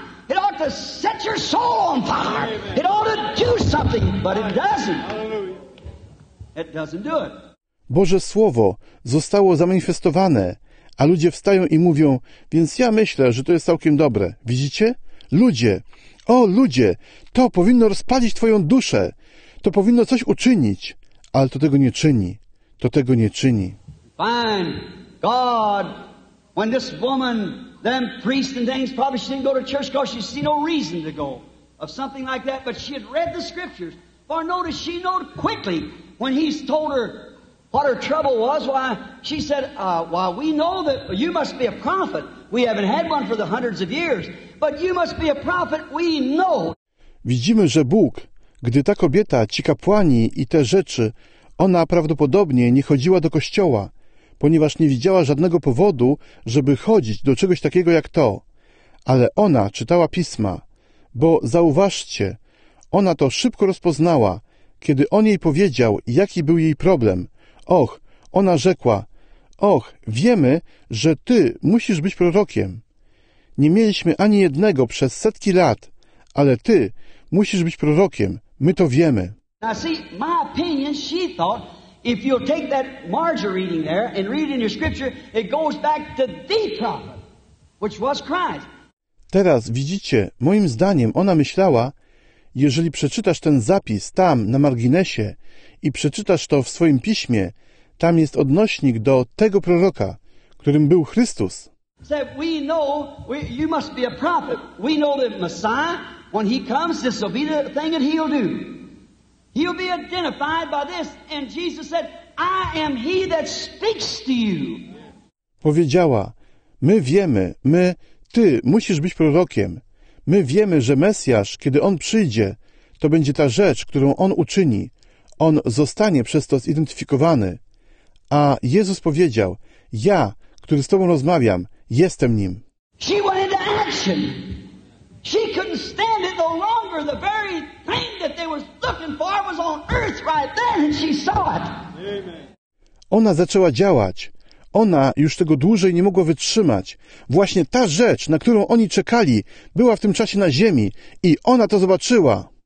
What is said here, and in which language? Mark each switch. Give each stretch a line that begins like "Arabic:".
English: It ought to set your soul on fire. It ought to do something, but it doesn't. It doesn't do it.
Polish: Boże Słowo zostało zamanifestowane, a ludzie wstają i mówią, więc ja myślę, że to jest całkiem dobre. Widzicie? Ludzie! O, ludzie! To powinno rozpalić twoją duszę. To powinno coś uczynić. Ale to tego nie czyni. To tego nie czyni.
English: Fine. God, when this woman... Them priests and things probably she didn't go to church because she see no reason to go of something like that, but she had read the scriptures. For notice, she knowed quickly when he's told her what her trouble was. Why she said, "Well, we know that you must be a prophet. We haven't had one for the hundreds of years, but you must be a prophet. We know."
Polish: Widzimy, że Bóg, gdy ta kobieta, ci kapłani i te rzeczy, ona prawdopodobnie nie chodziła do kościoła. Ponieważ nie widziała żadnego powodu, żeby chodzić do czegoś takiego jak to. Ale ona czytała pisma, bo zauważcie, ona to szybko rozpoznała, kiedy on jej powiedział, jaki był jej problem. Och, ona rzekła, och, wiemy, że ty musisz być prorokiem. Nie mieliśmy ani jednego przez setki lat, ale ty musisz być prorokiem, my to wiemy.
English: Now see, my opinion, she thought... If you'll take that Marjorie reading there and read it in your scripture, it goes back to the prophet, which was Christ.
Polish: Teraz widzicie, moim zdaniem ona myślała, jeżeli przeczytasz ten zapis tam na marginesie i przeczytasz to w swoim piśmie, tam jest odnośnik do tego proroka, którym był Chrystus.
English: Said, we know you must be a prophet. We know the Messiah, when he comes, this will be the thing that he'll do. He'll be identified by this, and Jesus said, I am he that speaks to you.
Polish: Powiedziała, my wiemy, my, ty musisz być prorokiem. My wiemy, że Mesjasz, kiedy on przyjdzie, to będzie ta rzecz, którą on uczyni. On zostanie przez to zidentyfikowany. A Jezus powiedział, ja, który z tobą rozmawiam, jestem nim.
English: She went into action. She couldn't stand it no longer. The very thing that they were looking for was on earth right then, and she saw it.
Polish: Ona zaczęła działać. Ona już tego dłużej nie mogła wytrzymać. Właśnie ta rzecz, na którą oni czekali, była w tym czasie na ziemi i ona to zobaczyła.